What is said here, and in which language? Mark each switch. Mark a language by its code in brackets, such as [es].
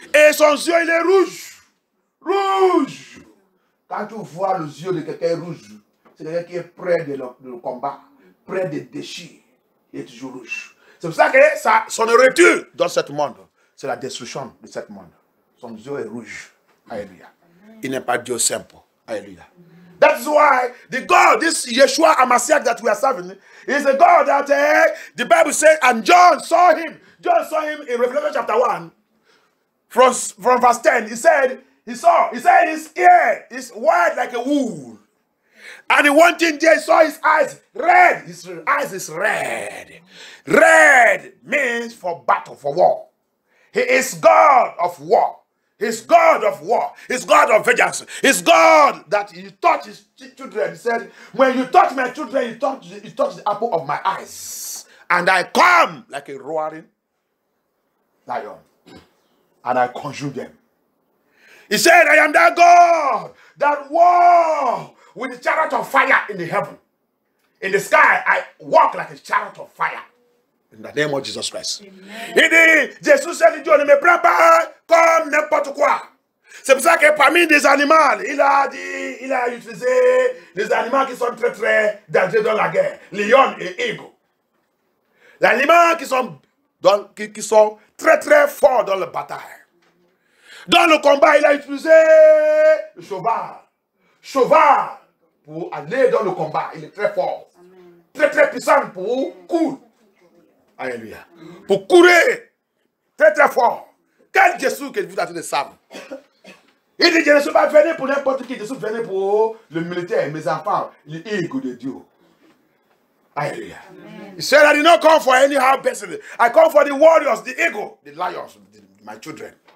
[fr] Et son yeux, il est rouge. Rouge. Quand tu vois les yeux de quelqu'un rouge, c'est quelqu'un qui est près de le combat, près des déchets. Il est toujours rouge. C'est pour ça que ça, son héritage dans ce monde, c'est la destruction de ce monde. Son yeux est rouge. Alléluia. Il n'est pas Dieu simple. Alléluia. [en] That's why the God, this Yeshua HaMashiach that we are serving, is a God that the Bible says, and John saw him. John saw him in Revelation chapter 1. From verse 10, he said, he said his ear is white like a wool. And the one thing there, he saw his eyes red. His eyes is red. Red means for battle, for war. He is God of war. He's God of war. He's God of vengeance. He's God that you touch his children. He said, when you touch my children, you touch the apple of my eyes. And I come like a roaring lion. And I consume them. He said, I am that God that war with the chariot of fire in the heaven. In the sky, I walk like a chariot of fire. In the name of Jesus Christ. [fr] Il dit, Jésus a dit, Dieu ne me prend pas comme n'importe quoi. C'est pour ça que parmi des animaux, il a dit, il a utilisé des animaux qui sont très très dangereux dans la guerre. Lion et eagle. Les animaux qui sont très très forts dans la bataille. Dans le combat, il a utilisé le cheval. Cheval pour aller dans le combat. Il est très fort. Très très puissant pour courir. Alléluia. Pour courir très très fort. Quel Jésus que vous avez de savoir. Il dit, je ne suis pas venu pour n'importe qui. Je suis venu pour le militaire, mes enfants, l'Église de Dieu. Alléluia. [en] Il said, I did not come for any hard person. I come for the warriors, the eagle, the lions, my children.